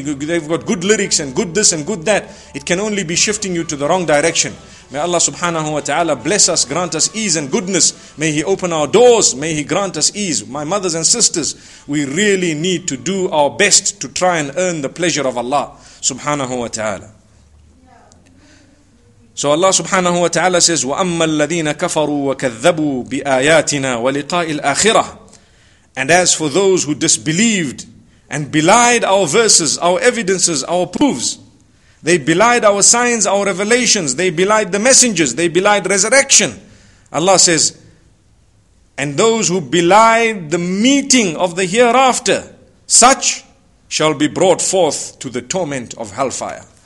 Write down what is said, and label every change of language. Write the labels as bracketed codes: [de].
[en] They've got good lyrics and good this and good that. It can only be shifting you to the wrong direction. May Allah subhanahu wa ta'ala bless us, grant us ease and goodness. May He open our doors. May He grant us ease. My mothers and sisters, we really need to do our best to try and earn the pleasure of Allah subhanahu wa ta'ala. [ar] So Allah subhanahu wa ta'ala says, وَأَمَّا الَّذِينَ كَفَرُوا وَكَذَّبُوا بِآيَاتِنَا وَلِقَاءِ الْآخِرَةِ. [en] And as for those who disbelieved and belied our verses, our evidences, our proofs, they belied our signs, our revelations, they belied the messengers, they belied resurrection. Allah says, and those who belied the meeting of the hereafter, such shall be brought forth to the torment of hellfire.